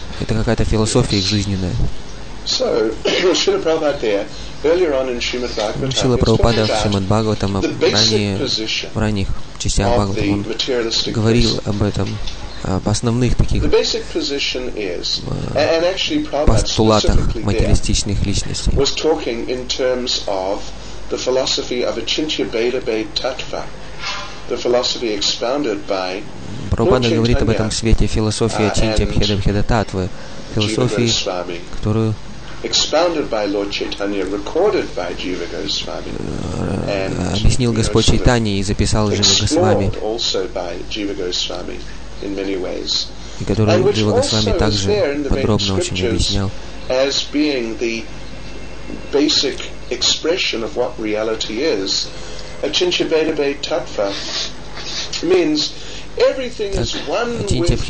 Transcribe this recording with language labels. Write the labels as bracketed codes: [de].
[ru] Это какая-то философия их жизненная. Шрила Прабхупада в Шримад-Бхагаватам, в ранних частях Бхагаватам, он говорил об этом, об основных таких постулатах материалистичных личностей. [en] The philosophy of Achintya-Bheda-Bheda Tattva, the philosophy expounded by [ru] Prabhupada говорит об этом в свете философии Ачинтья-Бхеда-Бхеда Таттвы, философии, которую [en] expounded by Lord Chaitanya, recorded by Jiva Goswami, [ru] объяснил Господь Чайтанья и записал Джива Госвами, и которую Джива Госвами также подробно очень объяснял. [en] As being the basic expression of what reality is, Achintya-Bheda-Bheda Tattva means everything is one with Krishna.